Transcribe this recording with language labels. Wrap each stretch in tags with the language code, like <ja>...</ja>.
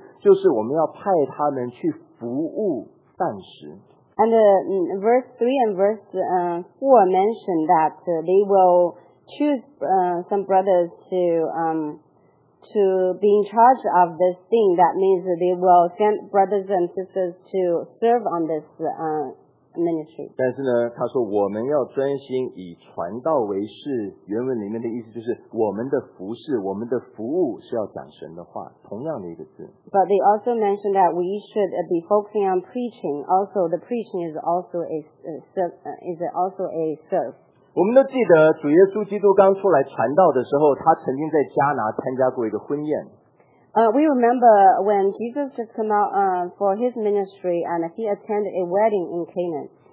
<zh>而第三节,第四节里面讲到说,我们要派他们管理这事,就是我们要派他们去</zh> <en>And verse 3 and verse 4 mentioned that they will choose some brothers to be in charge of this thing. That means that they will send brothers and sisters to serve on this ministry.</en> <zh>但是呢,他说我们要专心以传道为事,原文里面的意思就是我们的服侍,我们的服务是要讲神的话,同样的一个字。</zh> <en>But they also mentioned that we should be focusing on preaching. Also, the preaching is also a serve.</en> <zh>我们都记得主耶稣基督刚出来传道的时候,他曾经在加拿参加过一个婚宴。</zh> <en>We remember when Jesus just came out for his ministry and he attended a wedding in Canaan.</en>